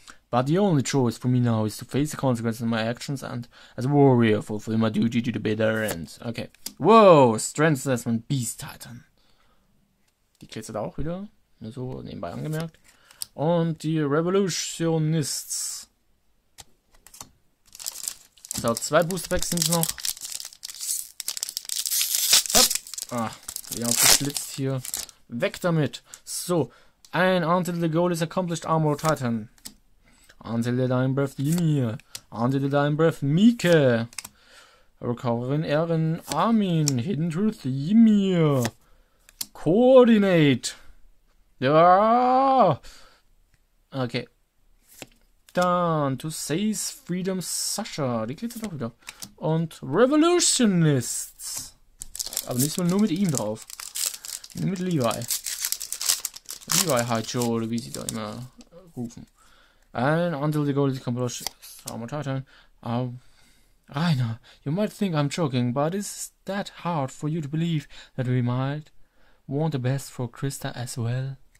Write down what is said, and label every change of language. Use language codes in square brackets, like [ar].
[en] But the only choice for me now is to face the consequences of my actions and as a warrior fulfill my duty to the bitter end. Okay. Whoa, Strength Assessment, Beast Titan. [de] Die glitzert auch wieder. Nur so nebenbei angemerkt. Und die Revolutionists. So, zwei Booster Packs sind noch. Ach, wieder aufgeschlitzt hier. Weg damit. So, ein Until the Goal is Accomplished Armored Titan. [en] Until the Dying Breath Ymir. Until the Dying Breath Mieke. Recovering Eren Armin. Hidden Truth Ymir. [de] Coordinate. Ja. Okay. Dann, To Seize Freedom Sascha. Die klingt doch wieder. Und Revolutionists. Aber nicht mal nur mit ihm drauf. Nur mit Levi. Levi Hajo, oder wie sie da immer rufen. [en] And until the goal is accomplished. Armored Titan. Rainer, you might think I'm joking, but is that hard for you to believe that we might want the best for Christa as well?